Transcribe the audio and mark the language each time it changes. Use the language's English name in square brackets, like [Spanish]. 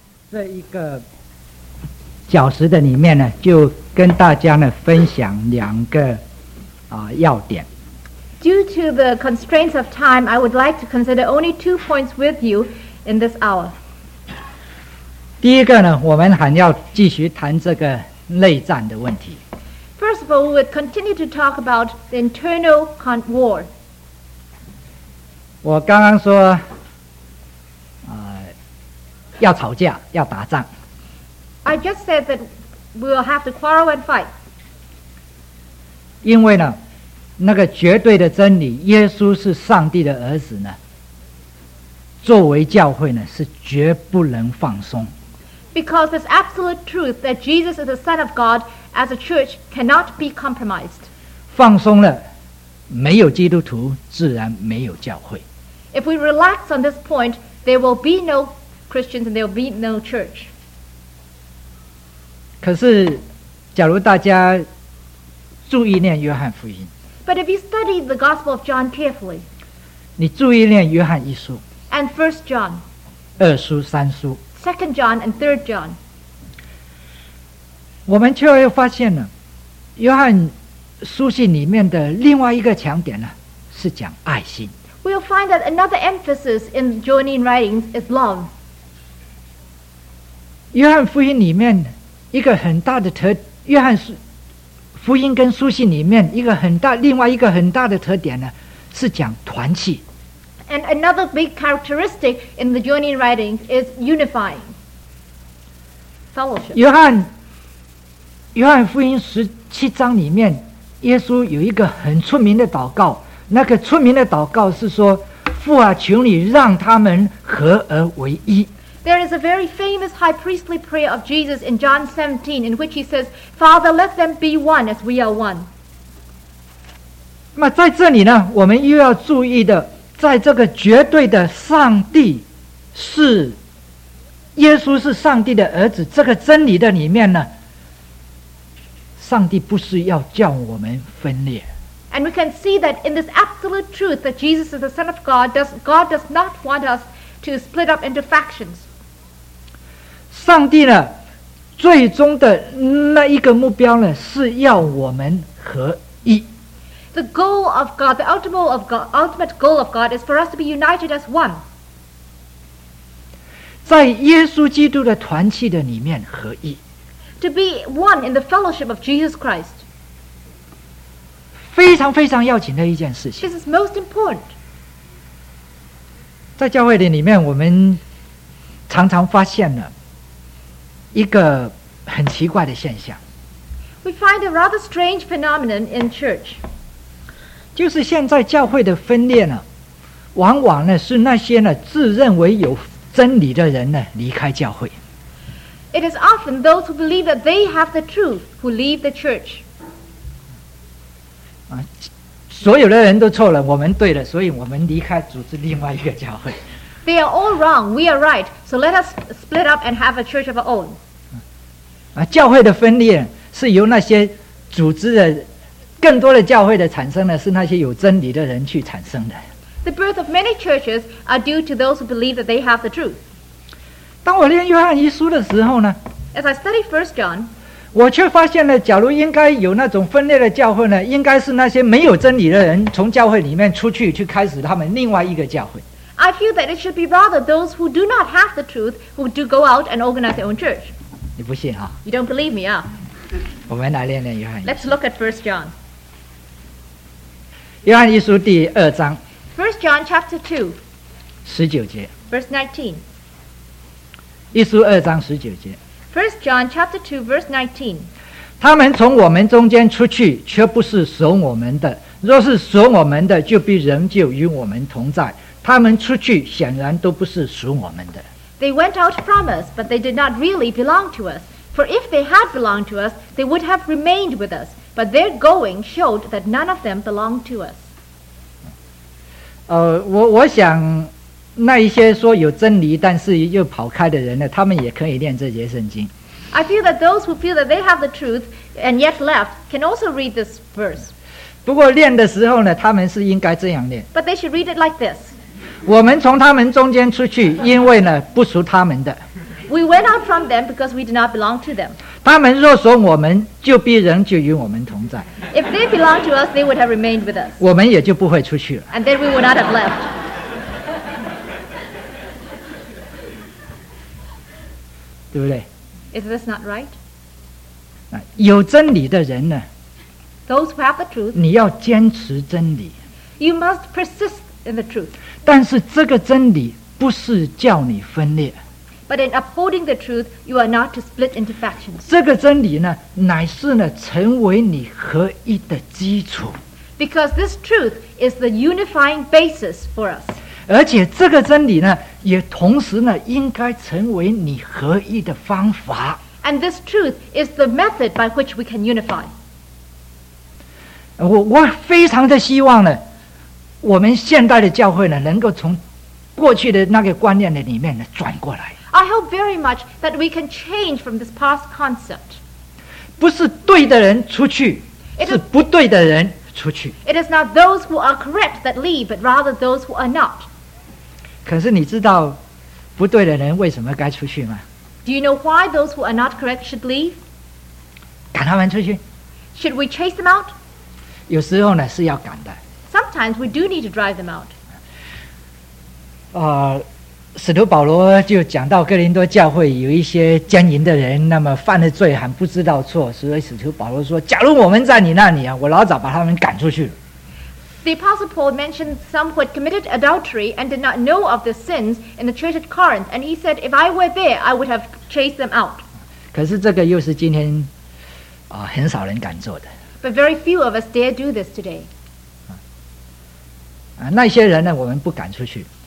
[Chinese] 这一个小时的里面呢，就跟大家呢分享两个要点。 [English] Due to the constraints of time, I would like to consider only two points with you in this hour. [Chinese] 第一个呢，我们还要继续谈这个内战的问题。 [English] First of all, we would continue to talk about the internal war. [Chinese] 我刚刚说要吵架，要打仗。 [English] I just said that we will have to quarrel and fight. [Chinese] 因为呢，那个绝对的真理，耶稣是上帝的儿子呢，作为教会呢，是绝不能放松。 [English] Because this absolute truth that Jesus is the Son of God as a church cannot be compromised. [Chinese] 放松了，没有基督徒，自然没有教会。 [English] If we relax on this point, there will be no Christians and there will be no church. [Chinese] 可是，假如大家注意念约翰福音。 [English] But if you study the Gospel of John carefully. [Chinese] 你注意念约翰一书。 [English] And First John. [Chinese] 二书三书。 [English] Second John and Third John. [Chinese] 我们却又发现呢，约翰书信里面的另外一个强点呢，是讲爱心。 [English] We'll find that another emphasis in Johannine writings is love. [Chinese] 约翰福音里面一个很大的特，约翰福音跟书信里面一个很大，另外一个很大的特点呢，是讲团契。 [English] And another big characteristic in the Johannine writings is unifying fellowship. [Chinese] 约翰福音十七章里面，耶稣有一个很出名的祷告。那个出名的祷告是说：“父啊，求你让他们合而为一。” [English] There is a very famous high priestly prayer of Jesus in John 17, in which he says, "Father, let them be one as we are one." [Chinese] 那么在这里呢，我们又要注意的，在这个绝对的上帝是耶稣是上帝的儿子这个真理的里面呢，上帝不是要叫我们分裂。 [English] And we can see that in this absolute truth that Jesus is the Son of God, God does not want us to split up into factions. [Chinese] 上帝呢，最终的那一个目标呢，是要我们合一。 [English] The goal of God, the ultimate of God, ultimate goal of God is for us to be united as one. [Chinese] 在耶稣基督的团契的里面合一。 [English] To be one in the fellowship of Jesus Christ. [Chinese] 非常非常要紧的一件事情。 [English] This is most important. [Chinese] 在教会里面，我们常常发现了一个很奇怪的现象。 [English] We find a rather strange phenomenon in church. [Chinese] 就是现在教会的分裂呢，往往呢是那些呢自认为有真理的人呢离开教会。 [English] It is often those who believe that they have the truth who leave the church. [Chinese] 所有的人都错了，我们对了，所以我们离开组织另外一个教会。 [English] They are all wrong, we are right. So let us split up and have a church of our own. [Chinese] 教会的分裂是由那些组织的更多的教会的产生的，是那些有真理的人去产生的。 [English] The birth of many churches are due to those who believe that they have the truth. [Chinese] 当我念约翰一书的时候呢 [English] ？As I study First John. [Chinese] 我却发现了，假如应该有那种分裂的教会呢，应该是那些没有真理的人从教会里面出去，去开始他们另外一个教会。 [English] I feel that it should be rather those who do not have the truth who do go out and organize their own church. [Chinese] 你不信啊 [English] ？You don't believe me, 啊？ [Chinese] 我们来练练约翰。 [English] Let's look at First John. [Chinese] 约翰一书第二章。 [English] First John chapter two. [Chinese] 十九节。 [English] Verse 19. [Chinese] 一书二章十九节。 [English] First John chapter 2 verse 19. [Chinese] 他们从我们中间出去，却不是守我们的。若是守我们的，就必仍旧与我们同在。他们出去，显然都不是属我们的。 [English] They went out from us, but they did not really belong to us. For if they had belonged to us, they would have remained with us. But their going showed that none of them belonged to us. [Chinese] 我想那一些说有真理但是又跑开的人呢，他们也可以念这节圣经。 [English] I feel that those who feel that they have the truth and yet left can also read this verse. [Chinese] 不过念的时候呢，他们是应该这样念。 [English] But they should read it like this. [Chinese] 我们从他们中间出去，因为呢不属他们的。 [English] We went out from them because we did not belong to them. [Chinese] 他们若属我们，就必仍旧与我们同在。 [English] If they belong to us, they would have remained with us. [Chinese] 我们也就不会出去了。 [English] And then we would not have left. [Chinese] 对不对？ [English] Is this not right? [Chinese] 有真理的人呢？ [English] Those who have the truth. [Chinese] 你要坚持真理。 [English] You must persist in the truth. [Chinese] 但是这个真理不是叫你分裂。 [English] But in upholding the truth, you are not to split into factions. [Chinese] 这个真理呢，乃是呢，成为你合一的基础。 [English] Because this truth is the unifying basis for us. [Chinese] 而且这个真理呢，也同时呢，应该成为你合一的方法。 [English] And this truth is the method by which we can unify. [Chinese] 我非常的希望呢，我们现代的教会呢，能够从过去的那个观念的里面呢，转过来。 [English] I hope very much that we can change from this past concept. [Chinese] 不是对的人出去，是不对的人出去。 [English] It is not those who are correct that leave, but rather those who are not. [Chinese] 可是你知道不对的人为什么该出去吗？ [English] Do you know why those who are not correct should leave? [Chinese] 赶他们出去。 [English] Should we chase them out? [Chinese] 有时候呢是要赶的。 [English] Sometimes we do need to drive them out. [Chinese] 使徒保罗就讲到哥林多教会有一些奸淫的人，那么犯了罪还不知道错，所以使徒保罗说，假如我们在你那里啊，我老早把他们赶出去了。 [English] The Apostle Paul mentioned some who had committed adultery and did not know of the sins in the church at Corinth, and he said, if I were there, I would have chased them out. [Chinese] 可是这个又是今天很少人敢做的。 [English] But very few of us dare do this today. [Chinese] 那些人呢，我们不敢出去。